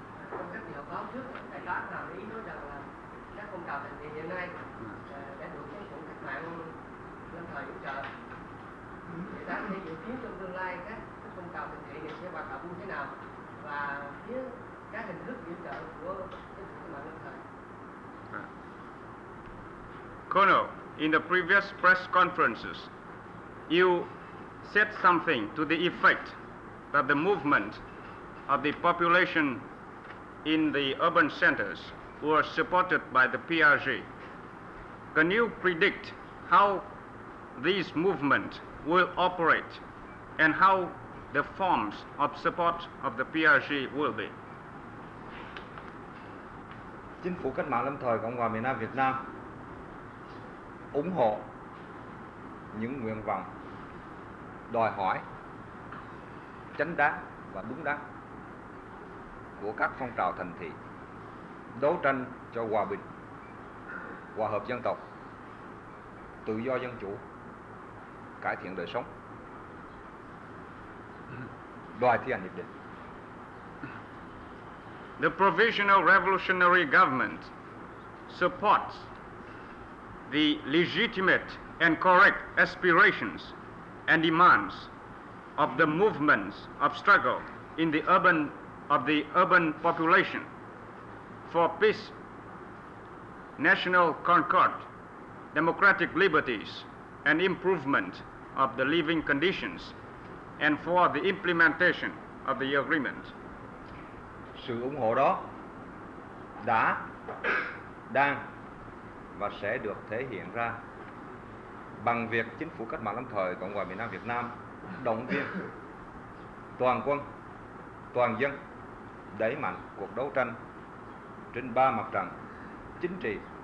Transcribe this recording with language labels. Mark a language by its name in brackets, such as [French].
[Vietnamese] Trong các báo cáo trước, đại tá nào ý nói rằng là các phong trào thành hiện nay đã được chính phủ cách mạng lâm thời hỗ trợ. Đại tá sẽ dự kiến trong tương lai các phong trào thành hiện sẽ hoạt động như thế nào và phía các hình thức hỗ trợ của chính phủ cách mạng lâm thời. [English] Colonel, in the previous press conferences, you said something to the effect that the movement of the population in the urban centers were supported by the PRG. Can you predict how these movements will operate and how the forms of support of the PRG will be? [Vietnamese] Chính phủ cách mạng lâm thời Cộng hòa miền Nam Việt Nam ủng hộ những nguyện vọng đòi hỏi chánh đáng và đúng đắn của các phong trào thành thị đấu tranh cho hòa bình, hòa hợp dân tộc, tự do dân chủ, cải thiện đời sống, đòi thi hành hiệp định. [English] The Provisional Revolutionary Government supports the legitimate and correct aspirations and demands of the movements of struggle in the urban of the urban population for peace, national concord, democratic liberties, and improvement of the living conditions, and for the implementation of the agreement. [Vietnamese] Sự ủng hộ đó đã, đang và sẽ được thể hiện ra bằng việc chính phủ cách mạng lâm thời Cộng hòa miền Nam Việt Nam động viên toàn quân, toàn dân đẩy mạnh cuộc đấu tranh trên ba mặt trận chính trị,